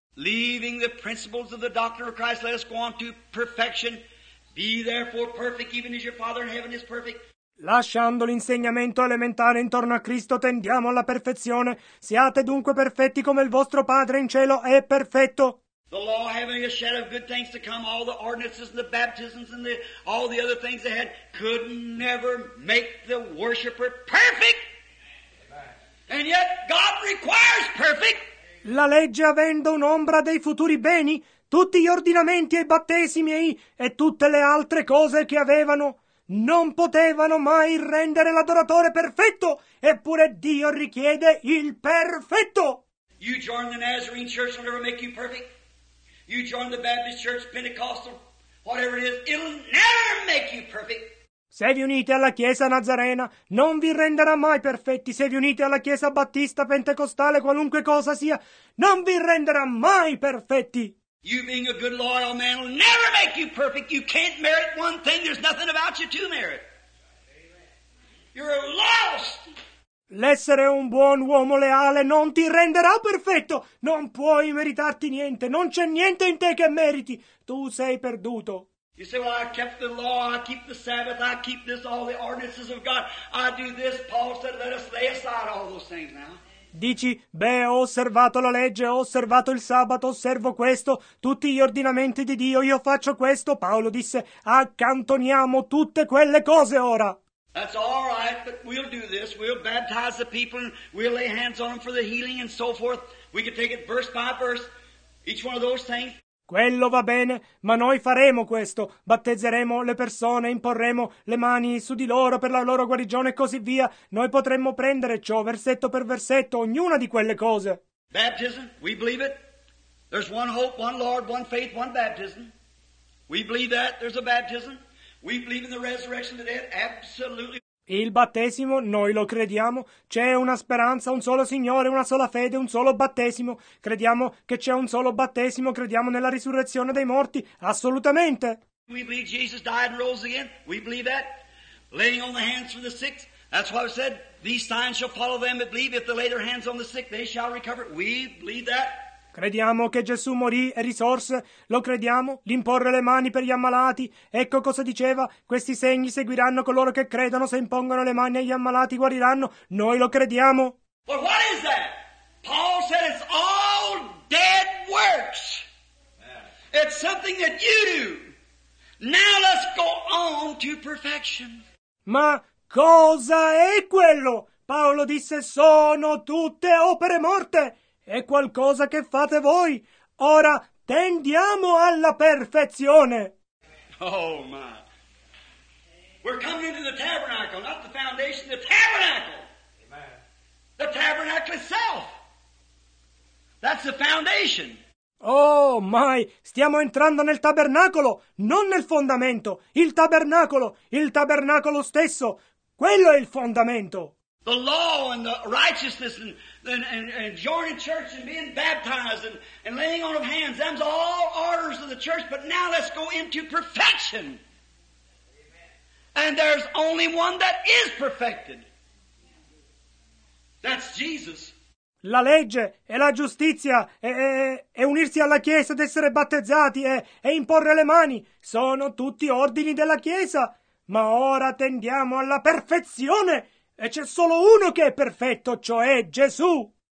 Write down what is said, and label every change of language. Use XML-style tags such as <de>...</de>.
<en>Leaving the principles of the doctrine of Christ, let us go on to perfection. Be therefore perfect, even as your Father in heaven is perfect.</en> <it>Lasciando l'insegnamento elementare intorno a Cristo, tendiamo alla perfezione. Siate dunque perfetti come il vostro Padre in cielo è perfetto.</it> <en>The law having a shadow of good things to come, all the ordinances and the baptisms and all the other things they had, could never make the worshipper perfect. And yet God requires perfect.</en> <it>La legge avendo un'ombra dei futuri beni, tutti gli ordinamenti e i battesimi e tutte le altre cose che avevano, non potevano mai rendere l'adoratore perfetto, eppure Dio richiede il perfetto.</it> <en>You join the Nazarene church, it'll never make you perfect. You join the Baptist church, Pentecostal, whatever it is, it'll never make you perfect.</en> <it>Se vi unite alla Chiesa Nazarena, non vi renderà mai perfetti. Se vi unite alla Chiesa Battista, Pentecostale, qualunque cosa sia, non vi renderà mai perfetti.</it> <en>You being a good loyal man will never make you perfect. You can't merit one thing. There's nothing about you to merit. You're lost.</en> <it>L'essere un buon uomo leale non ti renderà perfetto. Non puoi meritarti niente. Non c'è niente in te che meriti. Tu sei perduto.</it> <en>You say, well, I kept the law, I keep the Sabbath, I keep this, all the ordinances of God, I do this, Paul said, let us lay aside all those things now.</en> <it>Dici, beh, ho osservato la legge, ho osservato il sabato, osservo questo, tutti gli ordinamenti di Dio, io faccio questo, Paolo disse, accantoniamo tutte quelle cose ora.</it> <en>That's all right, but we'll do this, we'll baptize the people, and we'll lay hands on them for the healing and so forth, we can take it verse by verse, each one of those things.</en> <it>Quello va bene, ma noi faremo questo. Battezzeremo le persone, imporremo le mani su di loro per la loro guarigione e così via. Noi potremmo prendere ciò versetto per versetto, ognuna di quelle cose.</it> <en>Baptism, we believe it. There's one hope, one Lord, one faith, one baptism. We believe that, there's a baptism. We believe in the resurrection of the dead, absolutely.</en> <it>Il battesimo, noi lo crediamo, c'è una speranza, un solo Signore, una sola fede, un solo battesimo. Crediamo che c'è un solo battesimo, crediamo nella risurrezione dei morti, assolutamente.</it> <en>We believe Jesus died and rose again, we believe that. Laying on the hands for the sick, that's why I said, these signs shall follow them that believe, if they lay their hands on the sick, they shall recover. We believe that.</en> <it>Crediamo che Gesù morì e risorse, lo crediamo, l'imporre le mani per gli ammalati, ecco cosa diceva, questi segni seguiranno coloro che credono, se impongono le mani agli ammalati guariranno, noi lo crediamo.</it> <en>But what is that? Paul said it's all dead works. It's something that you do. Now let's go on to perfection.</en> <it>Ma cosa è quello? Paolo disse, sono tutte opere morte. È qualcosa che fate voi. Ora tendiamo alla perfezione.</it> <en>Oh my. We're coming into the tabernacle, not the foundation, the tabernacle. Amen. The tabernacle itself. That's the foundation. Oh my,</en> <it>stiamo entrando nel tabernacolo, non nel fondamento. Il tabernacolo stesso, quello è il fondamento.</it> <en>The law and the righteousness and joining church and being baptized and laying on of hands, them's all orders of the church, but now let's go into perfection. Amen. And there's only one that is perfected. That's Jesus.</en> <it>La legge e la giustizia e unirsi alla Chiesa ed essere battezzati e imporre le mani sono tutti ordini della Chiesa, ma ora tendiamo alla perfezione. E c'è solo uno che è perfetto, cioè Gesù.</it>